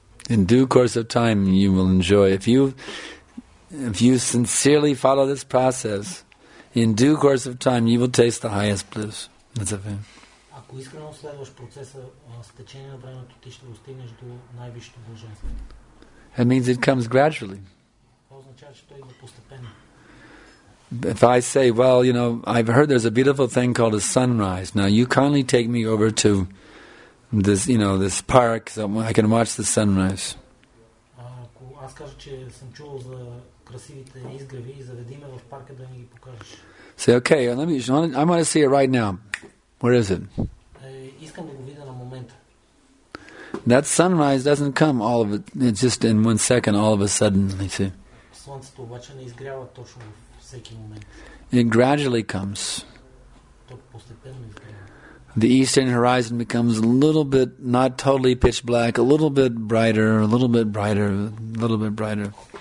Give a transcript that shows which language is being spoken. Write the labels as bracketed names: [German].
[English] In due course of time, you will enjoy. If you sincerely follow this process, in due course of time, you will taste the highest bliss. That's a thing. [Bulgarian] Ако искрено следваш процеса с течение на времето, ти ще достигнеш до най-висшето блаженство. [English] It means it comes gradually. [Bulgarian] Това означава, че той идва постепенно. [English] If I say, well, you know, I've heard there's a beautiful thing called a sunrise. Now you kindly take me over to this, you know, this park so I can watch the sunrise. [Bulgarian] Ако аз кажа, че съм чувал за красивите изгреви, заведи ме в парка да ми ги покажеш. [English] Say, okay, let me, I want to see it right now. Where is it? [Bulgarian] Искам да го видя на момента. [English] That sunrise doesn't come all of it. It's just in one second, all of a sudden, you see. [Bulgarian] Слънцето обаче не изгрява точно във всеки момент. [English] It gradually comes. [Bulgarian] То постепенно изгрява. [English] The eastern horizon becomes a little bit, not totally pitch black, a little bit brighter, a little bit brighter, a little bit brighter.